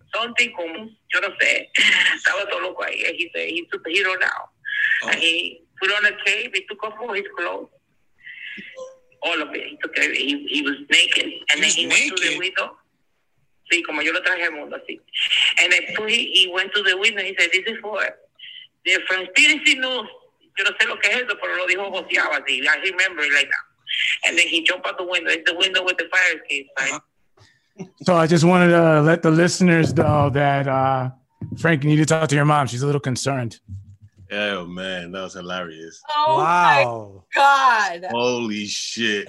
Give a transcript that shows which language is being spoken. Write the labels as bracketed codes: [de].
[es] Something como, yo no sé, estaba todo loco ahí. [en] He said he's superhero now. Oh. And he put on a cape, he took off all his clothes. All of it, he took it, he was naked. And he's then he naked. Went to the window. [es] Sí, como yo lo traje al mundo, así. [en] And then he went to the window, he said, this is for the conspiracy news. [es] Yo no sé lo que es eso, pero lo dijo Joseaba, así. [en] I remember it like that. And then he jumped out the window, it's the window with the fire escape, right? Uh-huh. So I just wanted to let the listeners know that Frank, you need to talk to your mom. She's a little concerned. Oh man, that was hilarious! Oh wow. My god! Holy shit!